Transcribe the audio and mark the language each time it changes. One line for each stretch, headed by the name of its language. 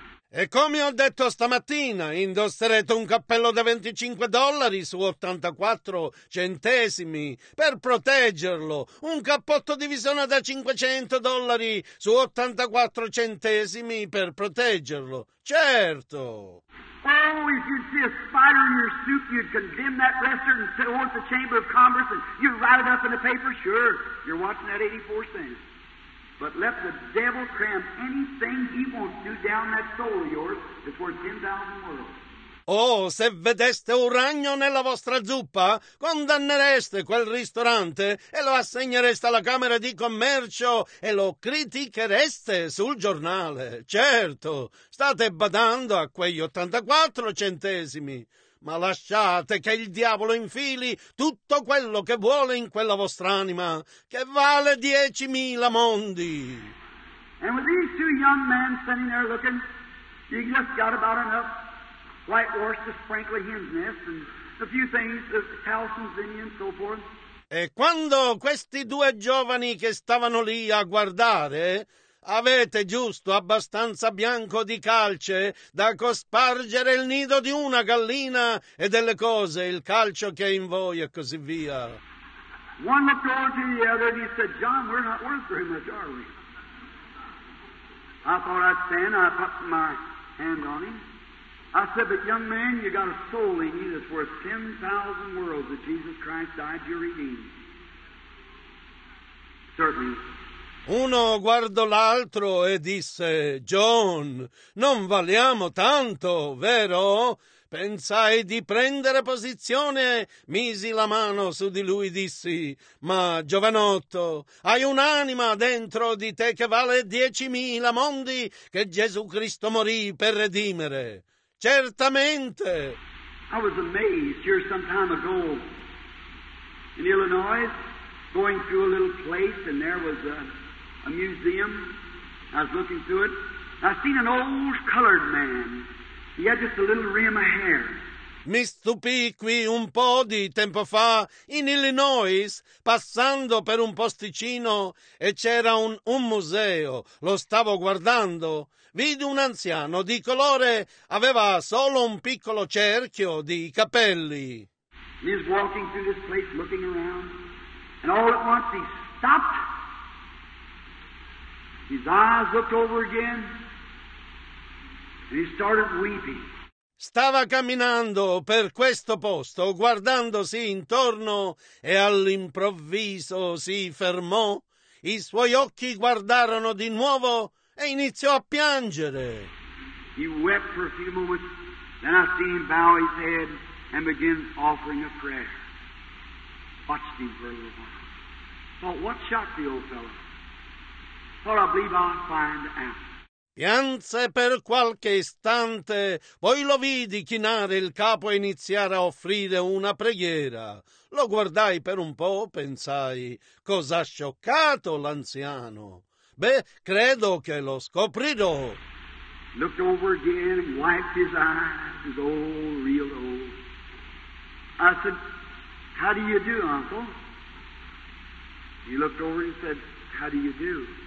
Italian: E come ho detto stamattina, indosserete un cappello da $25 su 84 centesimi per proteggerlo, un cappotto di visone da $500 su 84 centesimi per proteggerlo. Certo!
English: Oh, if you'd see a spider in your soup, you'd condemn that restaurant and send it over to the Chamber of Commerce and you'd write it up in the paper? Sure, you're watching that 84 cents. But let the devil cram anything he wants to down that soul of yours that's worth 10,000 worlds.
Italian: Oh, se vedeste un ragno nella vostra zuppa, condannereste quel ristorante e lo assegnereste alla Camera di Commercio e lo critichereste sul giornale. Certo, state badando a quegli 84 centesimi, ma lasciate che il diavolo infili tutto quello che vuole in quella vostra anima, che vale 10.000 mondi.
English: And with these two young men standing there looking, you just got about enough whitewash to sprinkle a hen's nest and a few things, the towels and so forth.
Italian: E quando questi due giovani che stavano lì a guardare, avete giusto abbastanza bianco di calce da cospargere il nido di una gallina e delle cose, il calcio che è in voi e così via.
English: One looked over to the other and he said, John, we're not worth very much, are we? I thought I'd stand, I put my hand on him. I said, but young man, you got a soul in you that's worth 10,000 worlds that Jesus Christ died to redeem. Certainly.
Italian: Uno guardò l'altro e disse, John, non valiamo tanto, vero? Pensai di prendere posizione, misi la mano su di lui e dissi, ma giovanotto, hai un'anima dentro di te che vale 10.000 mondi che Gesù Cristo morì per redimere. Certamente!
English: I was amazed here some time ago in Illinois, going through a little place and there was a museum. I was looking through it. I seen an old colored man. He had just a little rim of hair.
Italian: Mi stupì qui un po' di tempo fa in Illinois, passando per un posticino e c'era un museo. Lo stavo guardando. Vidi un anziano di colore, aveva solo un piccolo cerchio di capelli.
English: He was walking through this place, looking around, and all at once he stopped. His eyes looked over again, and he started weeping.
Italian: Stava camminando per questo posto, guardandosi intorno, e all'improvviso si fermò. I suoi occhi guardarono di nuovo e iniziò a piangere.
English: He wept for a few moments, then I seen him bow his head and begin offering a prayer. Watched him for a little while. Thought, what shocked the old fellow? Thought, I believe I'll find the answer.
Italian: Pianse per qualche istante, poi lo vidi chinare il capo e iniziare a offrire una preghiera. Lo guardai per un po', pensai, cosa ha scioccato l'anziano? Beh, credo che lo scoprirò.
English: Looked over again, wiped his eyes, his old, real old. I said, how do you do, uncle? He looked over and said, how do you do?